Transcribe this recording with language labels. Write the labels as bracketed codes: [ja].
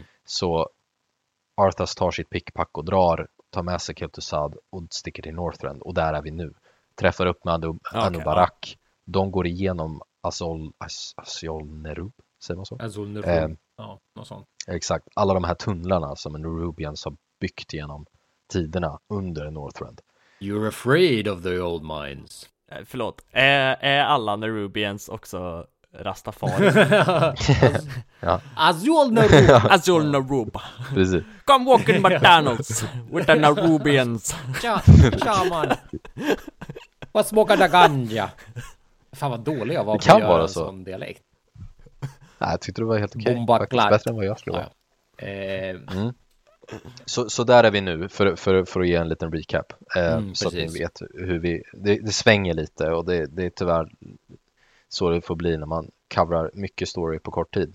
[sv] Så Arthas tar sitt pickpack och tar med sig Kel'Thuzad och sticker till Northrend, och där är vi nu. Träffar upp med Anubarak. De går igenom Azul Nerub, säger man så? Azul Nerub, ja, exakt. Alla de här tunnlarna som Nerubians har byggt genom tiderna under Northrend. [en] You're afraid of the old mines. [sv] Förlåt, är alla Nerubians också rastafari? Azul Nerub. Azul Nerub. Precis. [en] Come walk in McDonald's with the Nerubians. [sv] Tja, tja man. Vad smakar daganja? Fan vad dålig jag var på att göra en sån dialekt. Nej, jag tyckte det var helt okej. Okay. Faktiskt bättre än vad jag skulle vara. Så där är vi nu för att ge en liten recap. Så precis. Att ni vet hur vi... Det svänger lite och det är tyvärr så det får bli när man coverar mycket story på kort tid.